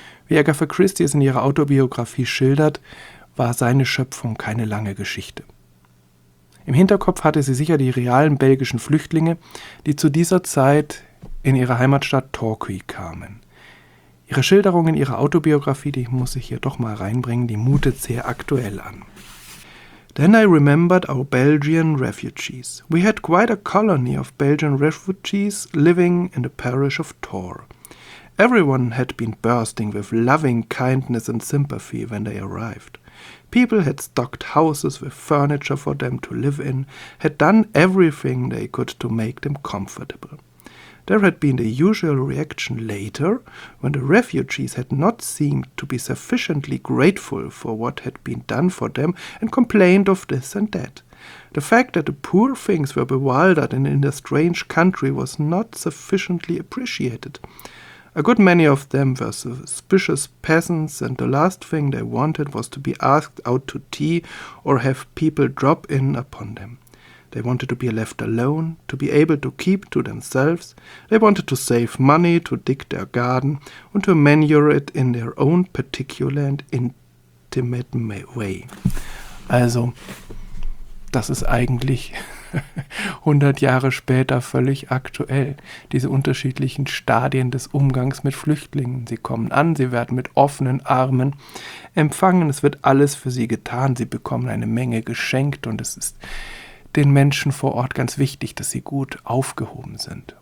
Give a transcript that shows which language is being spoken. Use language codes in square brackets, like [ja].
[de] Wie Agatha Christie es in ihrer Autobiografie schildert, war seine Schöpfung keine lange Geschichte. Im Hinterkopf hatte sie sicher die realen belgischen Flüchtlinge, die zu dieser Zeit in ihre Heimatstadt Torquay kamen. Ihre Schilderung in ihrer Autobiografie, die muss ich hier doch mal reinbringen, die mutet sehr aktuell an. [en] Then I remembered our Belgian refugees. We had quite a colony of Belgian refugees living in the parish of Tor. Everyone had been bursting with loving kindness and sympathy when they arrived. People had stocked houses with furniture for them to live in, had done everything they could to make them comfortable. There had been the usual reaction later, when the refugees had not seemed to be sufficiently grateful for what had been done for them and complained of this and that. The fact that the poor things were bewildered and in a strange country was not sufficiently appreciated. A good many of them were suspicious peasants, and the last thing they wanted was to be asked out to tea or have people drop in upon them. They wanted to be left alone, to be able to keep to themselves. They wanted to save money to dig their garden and to manure it in their own particular and intimate way. [de] Also, das ist eigentlich 100 Jahre später völlig aktuell, diese unterschiedlichen Stadien des Umgangs mit Flüchtlingen. Sie kommen an, sie werden mit offenen Armen empfangen, es wird alles für sie getan, sie bekommen eine Menge geschenkt und es ist den Menschen vor Ort ganz wichtig, dass sie gut aufgehoben sind.